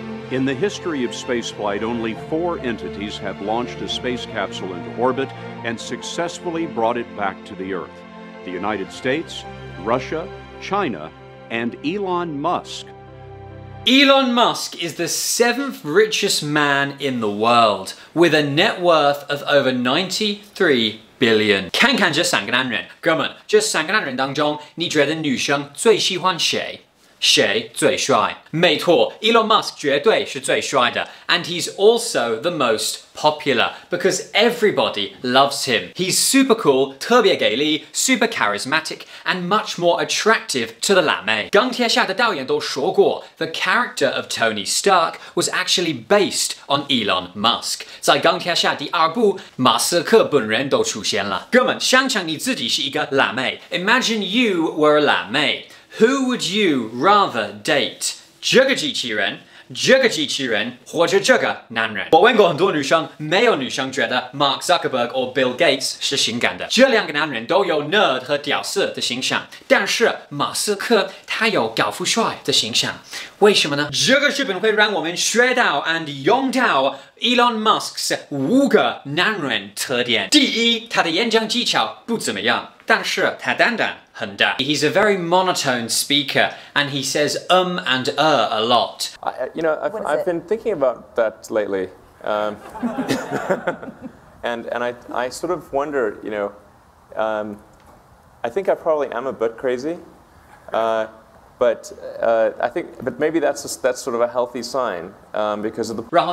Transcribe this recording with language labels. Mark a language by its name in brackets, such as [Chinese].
[English] In the history of spaceflight, only 4 entities have launched a space capsule into orbit and successfully brought it back to the Earth. The United States, Russia, China, and Elon Musk. Elon Musk is the 7th richest man in the world, with a net worth of over 93 billion. [Chinese] 看看这三个男人，哥们，这三个男人当中，你觉得女生最喜欢谁？谁最帅? 没错, [English] Elon Musk [Chinese] 绝对是最帅的, [English] and he's also the most popular because everybody loves him. He's super cool, [Chinese] 特别给力, [English] super charismatic, and much more attractive to the 辣妹. [Chinese] 钢铁侠的导演都说过, [English] the character of Tony Stark was actually based on Elon Musk. [Chinese] 在钢铁侠第二部, 马斯克本人都出现了. 哥们,想想你自己是一个辣妹, [English] imagine you were a [Chinese] 辣妹. [English] Who would you rather date? [Chinese] 这个机器人，或者这个男人。我问过很多女生, 没有女生觉得 Mark Zuckerberg or Bill Gates 是性感的。这两个男人都有 nerd 和屌丝的形象, 但是马斯克, 他有高富帅的形象。为什么呢? 这个视频会让我们学到 and 用到 Elon Musk's 5个男人特点。第一, 他的演讲技巧不怎么样, 但是他单单。 [English] He's a very monotone speaker, and he says and a lot. I've been thinking about that lately, and I sort of wonder, you know, I think I probably am a bit crazy, but maybe that's sort of a healthy sign, because of the.